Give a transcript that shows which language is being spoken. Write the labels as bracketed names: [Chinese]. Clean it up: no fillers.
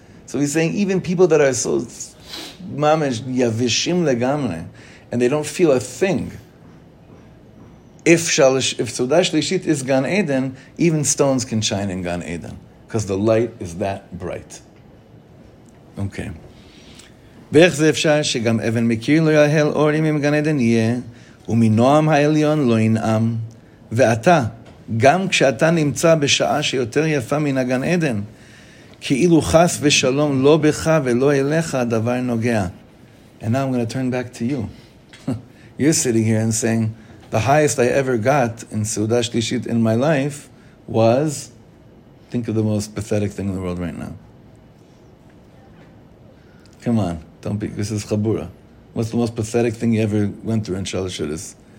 [English] So he's saying even people that are so mamesh yavishim legamre, and they don't feel a thing, if Seuda Shlishit is Gan Eden, even stones can shine in Gan Eden, because the light is that bright. Okay. [Hebrew] ואיך זה אפשר שגם אבן מכיר לא יאהל אור אם גן עדן יהיה, ומנועם העליון לא ינעם. ואתה, גם כשאתה נמצא בשעה שיותר יפה מן הגן עדן, כאילו חס ושלום לא בך ולא אליך הדבר נוגע. [English] And now I'm going to turn back to you. You're sitting here and saying, the highest I ever got in Seuda Shlishit in my life was, think of the most pathetic thing in the world right now. Come on. Don't be, this is Chabura. What's the most pathetic thing you ever went through in Shalashuddhis?